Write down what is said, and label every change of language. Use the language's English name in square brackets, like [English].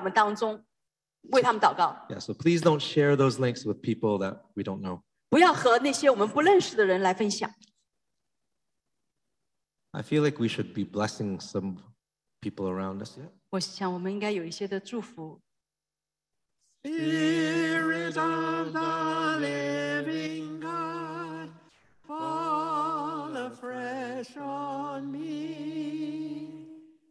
[Chinese] 所以我就是请大家这个所有的这些音响的这个链接呢，我们能够保持在我们当中为他们祷告。 [English] Yeah, so please don't share those links with people that we don't know. [Chinese] 不要和那些我们不认识的人来分享。I [English] feel like we should be blessing some people around us. Yet. [Chinese] 我想我们应该有一些的祝福。Spirit [English] of the living God, fall afresh on me.